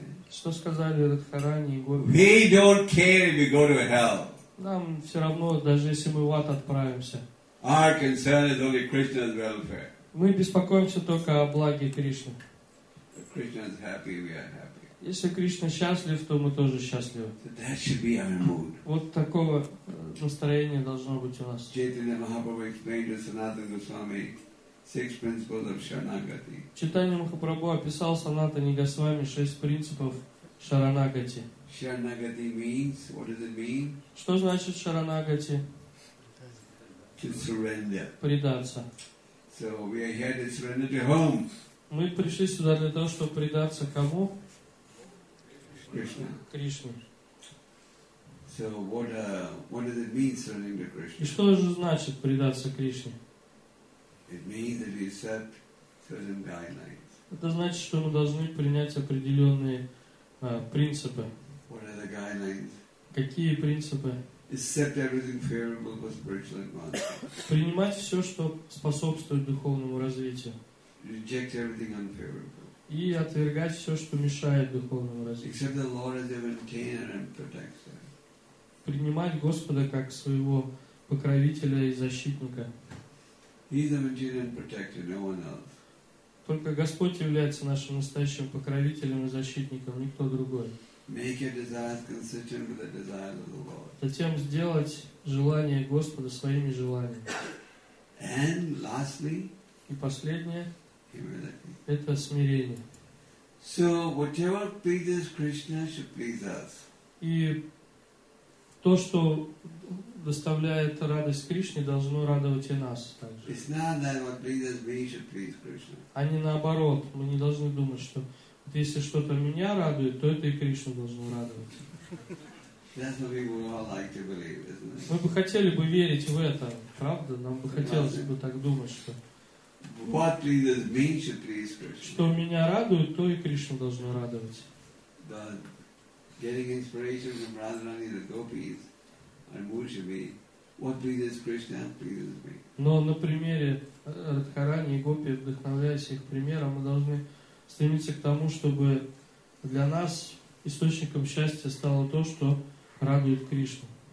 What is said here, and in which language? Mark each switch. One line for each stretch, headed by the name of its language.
Russian: Что сказали Радхарани и Гопи?
English: We don't care if we go to hell.
Russian: Нам все равно, даже если мы в ад отправимся.
English: Our concern is only Krishna's welfare.
Russian: Мы беспокоимся только о благе Кришны.
English: If Krishna's happy, we are happy.
Russian: Если Кришна счастлив, то мы тоже счастливы.
English: So that should be our mood.
Russian: Вот такого настроения должно быть у нас.
English: Chaitanya Mahaprabhu explained to Sanatana Goswami six principles of Sharanagati.
Russian: Chaitanya Mahaprabhu описал Санатане Госвами шесть принципов Шаранагати.
English: Sharanagati means, what does it mean?
Russian: Что значит Шаранагати?
English: To surrender.
Russian: Предаться.
English: So we are here to surrender to whom?
Russian: Мы пришли сюда для того, чтобы предаться кому?
English: Krishna.
Russian: Кришне.
English: So what does it mean surrendering to Krishna?
Russian: И что же значит предаться Кришне?
English: It means that we accept certain guidelines.
Russian: Это значит, что мы должны принять определенные принципы.
English: What are the guidelines?
Russian: Какие принципы?
English: Accept everything favorable for spiritual advancement.
Russian: Принимать все, что способствует духовному развитию.
English: Reject everything unfavorable.
Russian: И отвергать все, что мешает духовному развитию.
English: Accept the Lord as a maintainer and protector.
Russian: Принимать Господа как своего покровителя и защитника.
English: He's the maintainer and protector, no one else.
Russian: Только Господь является нашим настоящим покровителем и защитником, никто другой.
English: Make your desires consistent with the desires of the Lord.
Russian: Затем сделать желание Господа своими желаниями.
English: And lastly,
Russian: и последнее,
English: humility.
Russian: Это смирение.
English: So whatever pleases Krishna should please us.
Russian: И то, что доставляет радость Кришне, должно радовать и нас также.
English: It's not that what pleases me should please Krishna.
Russian: А не наоборот, мы не должны думать, что вот если что-то меня радует, то это и Кришну должно радовать.
English: That's what we would all like to believe, isn't it?
Russian: Мы бы хотели бы верить в это, правда? Нам бы хотелось бы так думать, что
English: what pleases me should please Krishna.
Russian: Что меня радует, то и Кришну должно радовать.
English: But getting inspiration from Radharani the gopis and Murshami, what pleases Krishna pleases me.
Russian: Но на примере Радхарани и Гопи, вдохновляясь их примером, мы должны стремиться к тому, чтобы для нас источником счастья стало то, что радует Кришну.